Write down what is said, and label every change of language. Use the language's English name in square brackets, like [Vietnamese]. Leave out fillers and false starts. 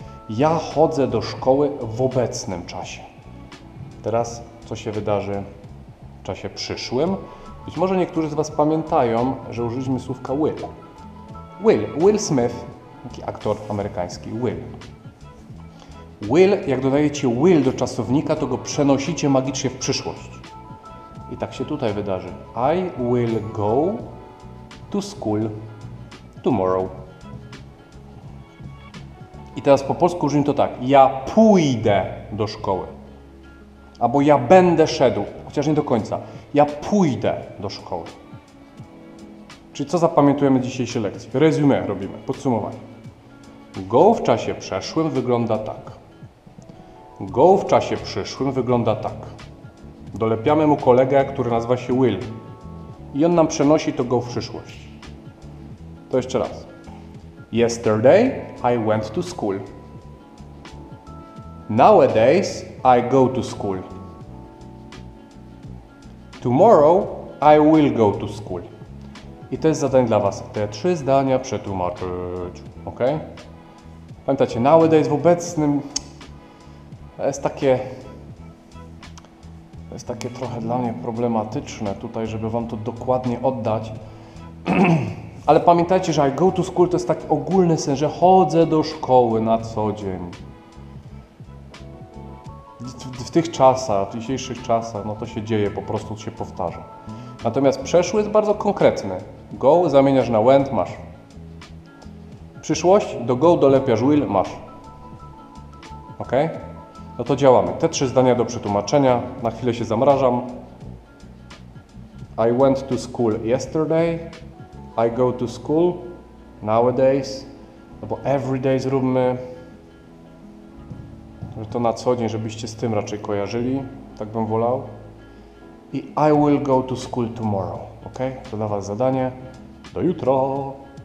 [Polish] Ja chodzę do szkoły w obecnym czasie. Teraz, co się wydarzy w czasie przyszłym? Być może niektórzy z was pamiętają, że użyliśmy słówka will. Will Smith, taki aktor amerykański, will. Will, jak dodajecie will do czasownika, to go przenosicie magicznie w przyszłość. I tak się tutaj wydarzy. [English] I will go to school tomorrow. [Polish] I teraz po polsku użyjmy to tak. Ja pójdę do szkoły. Albo ja będę szedł, chociaż nie do końca. Ja pójdę do szkoły. Czyli co zapamiętujemy w dzisiejszej lekcji? Resumé robimy, podsumowanie. Go w czasie przeszłym wygląda tak. Go w czasie przyszłym wygląda tak. Dolepiamy mu kolegę, który nazywa się Will. I on nam przenosi to go w przyszłość. To jeszcze raz. [English] Yesterday I went to school. Nowadays I go to school. Tomorrow I will go to school. [Polish] I to jest zadanie dla was. Te trzy zdania przetłumaczyć. Ok? Pamiętacie, nowadays w obecnym jest takie trochę dla mnie problematyczne tutaj, żeby wam to dokładnie oddać. Ale pamiętajcie, że [English] I go to school [Polish] to jest taki ogólny sens, że chodzę do szkoły na co dzień. W tych czasach, w dzisiejszych czasach, no to się dzieje, po prostu się powtarza. Natomiast przeszły jest bardzo konkretny. Go zamieniasz na went, masz. Przyszłość, do go dolepiasz will, masz. Ok? No to działamy. Te trzy zdania do przetłumaczenia. Na chwilę się zamrażam. [English] I went to school yesterday. I go to school nowadays. [Polish] Albo [English] every day [Polish] zróbmy. Że to na co dzień, żebyście z tym raczej kojarzyli. Tak bym wolał. [English] I will go to school tomorrow. Ok? [Polish] To dla was zadanie. Do jutro!